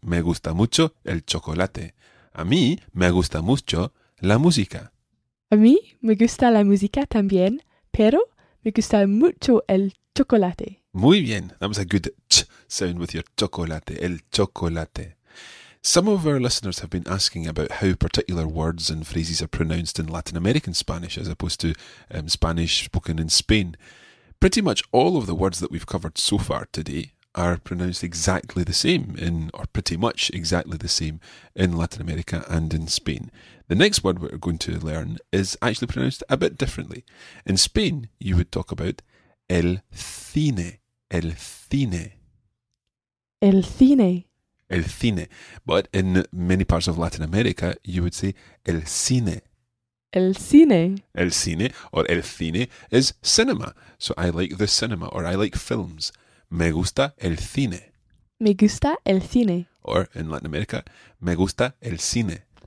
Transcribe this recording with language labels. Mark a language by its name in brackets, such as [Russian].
[Spanish] Me gusta mucho el chocolate. A mí me gusta mucho la música. A mí me gusta la música también, pero me gusta mucho el chocolate. Muy bien. [English] That was a good ch sound with your chocolate, el chocolate. Some of our listeners have been asking about how particular words and phrases are pronounced in Latin American Spanish as opposed to Spanish spoken in Spain. Pretty much all of the words that we've covered so far today are pronounced exactly the same in, or pretty much exactly the same in Latin America and in Spain. The next word we're going to learn is actually pronounced a bit differently. In Spain, you would talk about el cine, el cine. [Spanish] El cine. El cine. [English] But in many parts of Latin America, you would say el cine. [Spanish] El cine. El cine, or el cine, [English] is cinema. So I like the cinema, or I like films. [Spanish] Me gusta el cine. Me gusta el cine. [English] Or in Latin America, [Spanish] me gusta el cine.